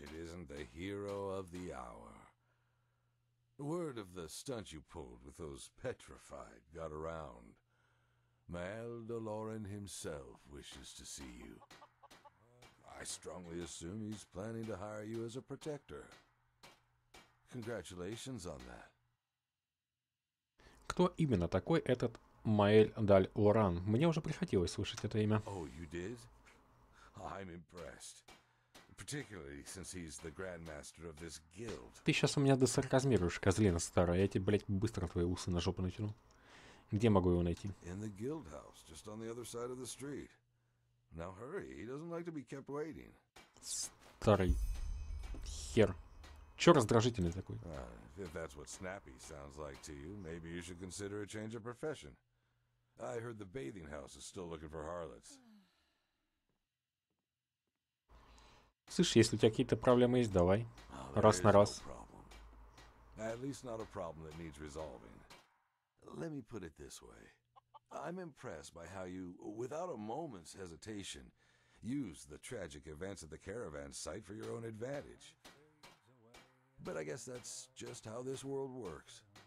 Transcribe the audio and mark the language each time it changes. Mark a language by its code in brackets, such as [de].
[en] it isn't the hero of the hour. Word of the stunt you pulled with those petrified got around. Mael Doloran himself wishes to see you. I strongly assume he's planning to hire you as a protector. Congratulations on that. [ru] Кто именно такой этот Mael Doloran? Мне уже приходилось слышать это имя. [en] Oh, you did? I'm impressed. Particularly since he's the grandmaster of this guild. [ru] Ты сейчас у меня досарказмируешь, козлина старая. Я тебе, блядь, быстро твои усы на жопу натяну. Где могу его найти? [en] In the guild house, just on the other side of the street. Now hurry, he doesn't like to be kept waiting. [ru] Старый хер. Чё раздражительный такой? [en] If that's what snappy sounds like to you, maybe you should consider a change of profession. I heard the bathing house is still looking for harlots. [ru] Слышь, если у тебя какие-то проблемы есть, давай. Раз на раз. [en] At least not a problem that needs resolving. Let me put it this way. I'm impressed by how you, without a moment's hesitation, used the tragic events at the caravan site for your own advantage. But I guess that's just how this world works.